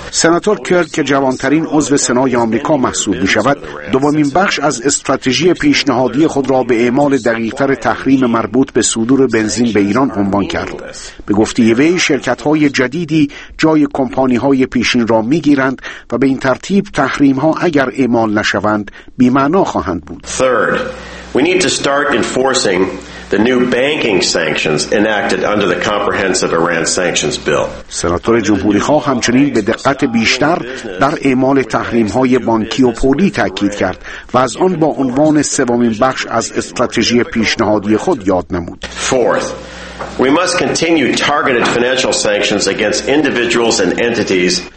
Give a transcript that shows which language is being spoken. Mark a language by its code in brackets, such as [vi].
[fa] سناتور کرک که جوانترین عضو سنای آمریکا محسوب می‌شود، دومین بخش از استراتژی پیشنهادی خود را به اعمال دقیق‌تر تحریم مربوط به صدور بنزین به ایران عنوان کرد. به گفته وی، شرکت‌های جدیدی جای کمپانی‌های پیشین را می‌گیرند و به این ترتیب تحریم‌ها اگر اعمال نشوند، بی‌معنا خواهند بود. [en] Third, we need to start enforcing the new banking sanctions enacted under the comprehensive Iran sanctions bill. [fa] سناتور جمهوری‌خواه همچنین به دقت بیشتر در اعمال تحریم‌های بانکی و پولی تاکید کرد و از آن با عنوان سومین بخش از استراتژی پیشنهادی خود یاد نمود. [en] Fourth, we must continue targeted financial sanctions against individuals and entities.